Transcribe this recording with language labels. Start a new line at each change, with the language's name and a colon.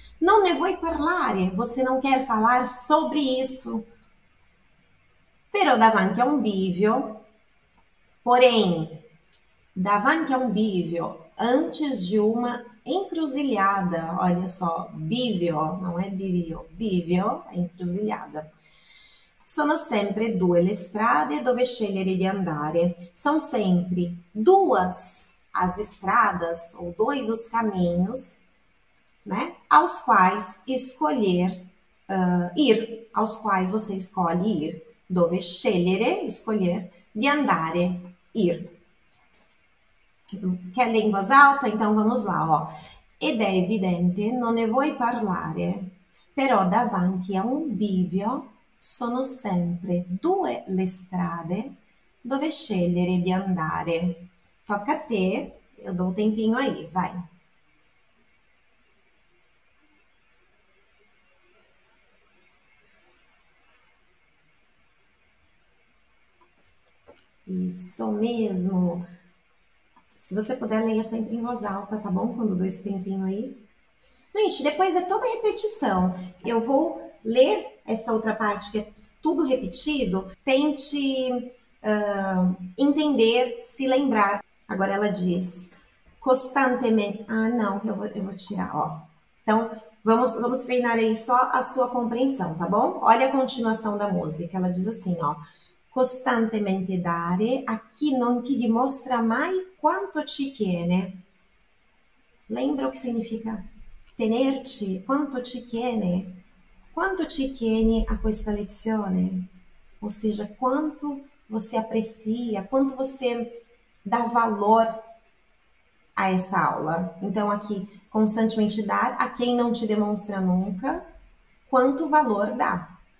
Italian: Non ne vuoi parlare,
Portuguese: você não quer falar sobre isso.
Italian: Però davanti a un bivio,
Portuguese: porém,
Italian: davanti a un bivio,
Portuguese: antes de uma encruzilhada, olha só, bivio, não é bivio, bivio é encruzilhada.
Italian: Sono sempre due le strade dove scegliere di andare.
Portuguese: São sempre duas as estradas ou dois os caminhos, né, aos quais escolher ir, aos quais você escolhe ir,
Italian: dove scegliere,
Portuguese: escolher
Italian: di andare,
Portuguese: ir. Quer ler em voz alta? Então vamos lá, ó.
Italian: Ed è evidente, non ne vuoi parlare, però davanti a un bivio sono sempre due le strade dove scegliere di andare. Tocca a te,
Portuguese: eu dou um tempinho aí, vai. Isso mesmo. Se você puder, leia sempre em voz alta, tá bom? Quando dou esse tempinho aí. Gente, depois é toda repetição. Eu vou ler essa outra parte que é tudo repetido, tente entender, se lembrar. Agora ela diz, constantemente. Ah, não, eu vou tirar, ó. Então, vamos treinar aí só a sua compreensão, tá bom? Olha a continuação da música. Ela diz assim, ó.
Italian: Costantemente dare a chi non ti dimostra mai quanto ci tiene.
Portuguese: Lembra o
Italian: che significa? Tenerci, quanto ci tiene. Quanto ci tieni a questa lezione?
Portuguese: Ou seja, quanto você aprecia, quanto você dá valor a essa aula? Então, aqui, constantemente dar a quem não te demonstra nunca, quanto valor dá.